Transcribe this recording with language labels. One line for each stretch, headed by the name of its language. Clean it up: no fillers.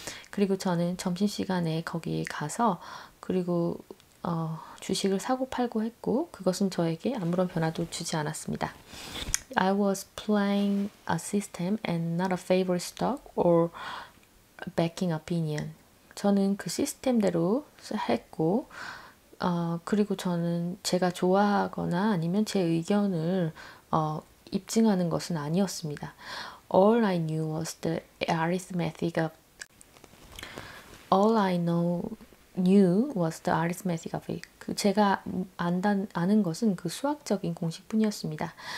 Korean: 그리고 저는 점심시간에 거기에 가서 그리고 주식을 사고 팔고 했고 그것은 저에게 아무런 변화도 주지 않았습니다.
English: I was playing a system and not a favorite stock or backing opinion.
Korean: 저는 그 시스템대로 했고 그리고 저는 제가 좋아하거나 아니면 제 의견을 입증하는 것은 아니었습니다.
English: All I knew was the arithmetic of All I know knew was the arithmetic of it.
Korean: 그 제가 아는 것은 그 수학적인 공식뿐이었습니다.